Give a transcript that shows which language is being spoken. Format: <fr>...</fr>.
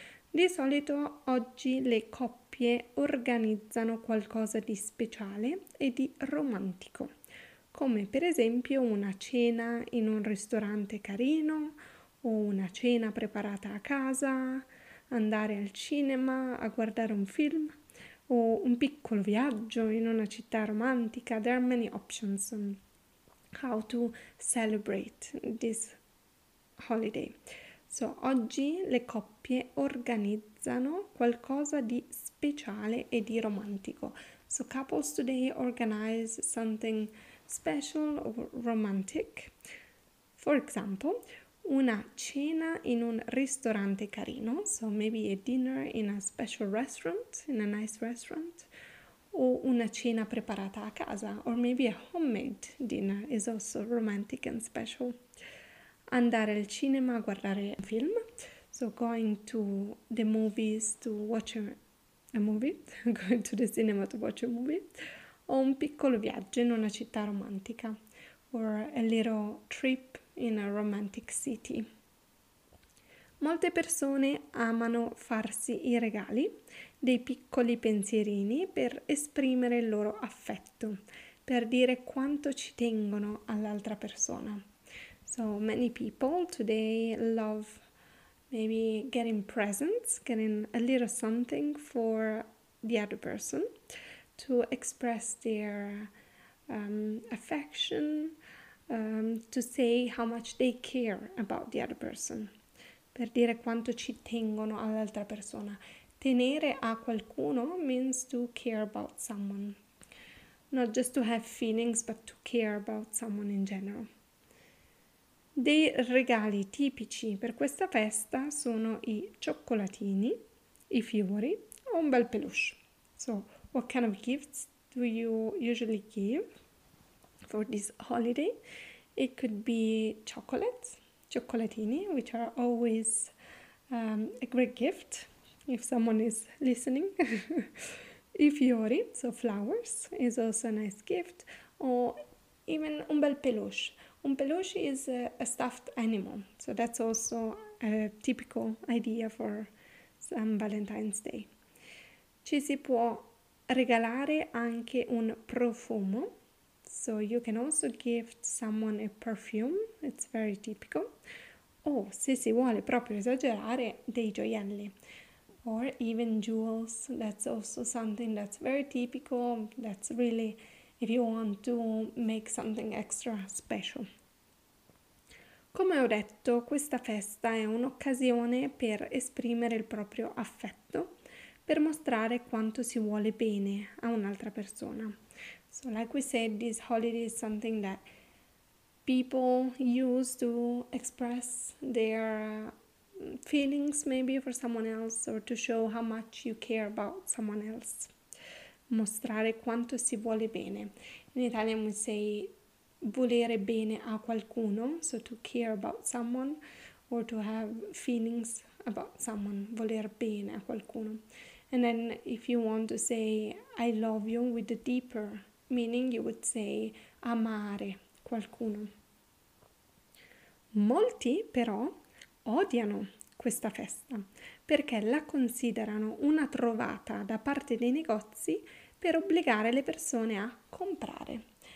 <it>Di solito oggi le coppie organizzano qualcosa di speciale e di romantico, come per esempio una cena in un ristorante carino o una cena preparata a casa, andare al cinema a guardare un film o un piccolo viaggio in una città romantica.</it> <en>There are many options on how to celebrate this holiday.</en> <it>So, oggi le coppie organizzano qualcosa di speciale e di romantico.</it> <en>So, couples today organize something special or romantic. For example,</en> <it>una cena in un ristorante carino,</it> <en>so maybe a dinner in a special restaurant, in a nice restaurant,</en> <it>o una cena preparata a casa,</it> <en>or maybe a homemade dinner is also romantic and special.</en> <it>Andare al cinema a guardare un film,</it> <en>so going to the movies to watch a movie, going to the cinema to watch a movie,</en> <it>o un piccolo viaggio in una città romantica,</it> <en>or a little trip in a romantic city.</en> <it>Molte persone amano farsi i regali, dei piccoli pensierini per esprimere il loro affetto, per dire quanto ci tengono all'altra persona.</it> <en>So many people today love maybe getting presents, getting a little something for the other person to express their affection, to say how much they care about the other person,</en> <it>per dire quanto ci tengono all'altra persona. Tenere a qualcuno</it> <en>means to care about someone, not just to have feelings but to care about someone in general.</en> <it>Dei regali tipici per questa festa sono i cioccolatini, i fiori o un bel peluche.</it> <en>So what kind of gifts do you usually give for this holiday? It could be chocolates, cioccolatini, which are always a great gift if someone is listening. I fiori, so flowers, is also a nice gift. Or even un bel peluche. Un peluche is a stuffed animal, so that's also a typical idea for San Valentine's Day.</en> <it>Ci si può regalare anche un profumo,</it> <en>So you can also gift someone a perfume, it's very typical.</en> <it>Oh, se si vuole proprio esagerare, dei gioielli.</it> <en>Or even jewels, that's also something that's very typical, that's really if you want to make something extra special.</en> <it>Come ho detto, questa festa è un'occasione per esprimere il proprio affetto, per mostrare quanto si vuole bene a un'altra persona.</it> <en>So like we said, this holiday is something that people use to express their feelings maybe for someone else or to show how much you care about someone else.</en> <it>Mostrare quanto si vuole bene.</it> <en>In Italian we say</en> <it>volere bene a qualcuno,</it> <en>so to care about someone or to have feelings about someone,</en> <it>voler bene a qualcuno.</it> <en>And then if you want to say I love you with a deeper meaning, you would say</en> <it>amare qualcuno. Molti però odiano questa festa perché la considerano una trovata da parte dei negozi per obbligare le persone a comprare.</it>